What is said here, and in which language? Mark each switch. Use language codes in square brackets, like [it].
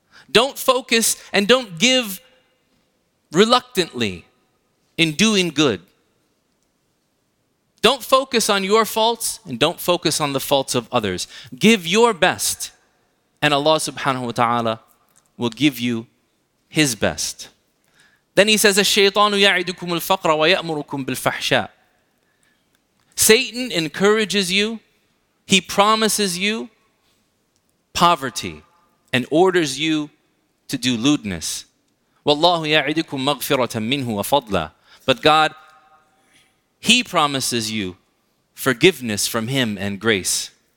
[en] Don't focus and don't give reluctantly in doing good. Don't focus on your faults and don't focus on the faults of others. Give your best and Allah subhanahu wa ta'ala will give you His best. Then he says, [ar] الشيطان يعدكم الفقر ويأمركم بالفحشاء. [en] Satan encourages you, he promises you poverty and orders you to do lewdness. [ar] وَاللَّهُ يَعِدُكُمْ مَغْفِرَةً مِّنْهُ وَفَضْلًا. [en] But God, He promises you forgiveness from Him and grace.